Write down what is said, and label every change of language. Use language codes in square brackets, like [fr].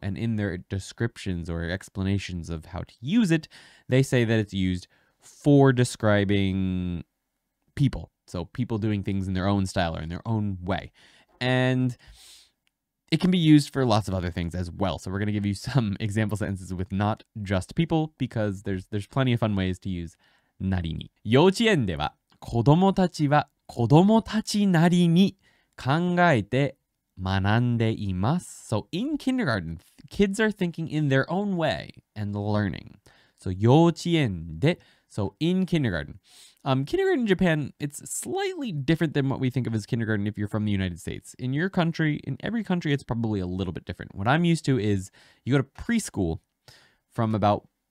[en] And in their descriptions or explanations of how to use it, they say that it's used for describing people. So people doing things in their own style or in their own way. And it can be used for lots of other things as well. So we're going to give you some example sentences with not just people, because there's plenty of fun ways to use nariini. [ja] 幼稚園では子供たちは子供たちなりに考えて学んでいます。 [en] So in kindergarten, kids are thinking in their own way and learning. So [ja] 幼稚園で [en] So in kindergarten. Kindergarten in Japan, it's slightly different than what we think of as kindergarten if you're from the United States. In your country, in every country, it's probably a little bit different. What I'm used to is you go to preschool from about